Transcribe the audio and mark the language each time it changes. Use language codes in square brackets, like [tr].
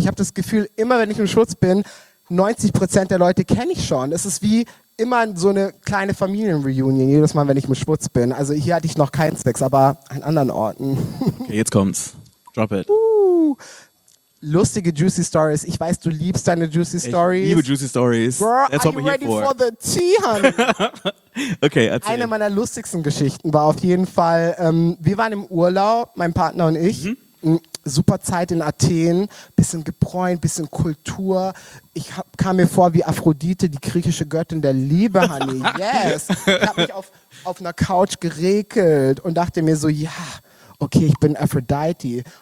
[de] Ich habe das Gefühl, immer wenn ich im Schwutz bin, 90% der Leute kenne ich schon. Es ist wie immer so eine kleine Familienreunion, jedes Mal, wenn ich im Schwutz bin. Also hier hatte ich noch keinen Sex, aber an anderen Orten. Okay, jetzt kommt's. [en] Drop it. [de] Lustige Juicy Stories. Ich weiß, du liebst deine Juicy Stories. Ich liebe Juicy Stories. [en] Girl, are you ready for the tea, honey? [de] Okay, erzähl. Eine meiner lustigsten Geschichten war auf jeden Fall, wir waren im Urlaub, mein Partner und ich. Mhm. Super Zeit in Athen, bisschen gebräunt, bisschen Kultur. Ich kam mir vor wie Aphrodite, die griechische Göttin der Liebe, honey. Yes. Ich hab mich auf einer Couch geregelt und dachte mir so, ja, okay, ich bin Aphrodite.